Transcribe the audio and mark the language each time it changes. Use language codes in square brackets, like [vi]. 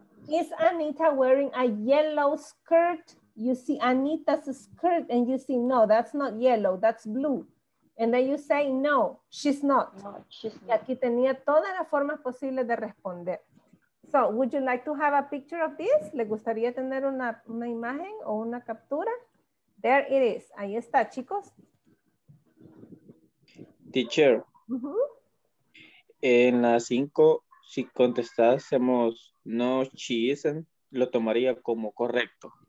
[en] Is Anita wearing a yellow skirt? You see Anita's skirt and you see no, that's not yellow, that's blue. And then you say, no, she's not. No, she's not. [es] Y aquí tenía todas las formas posibles de responder. [en] So, would you like to have a picture of this? [es] ¿Le gustaría tener una imagen o una captura? [en] There it is. [es] Ahí está, chicos. Teacher. En la 5, si contestásemos [en] no, she isn't, [es] lo tomaría como correcto.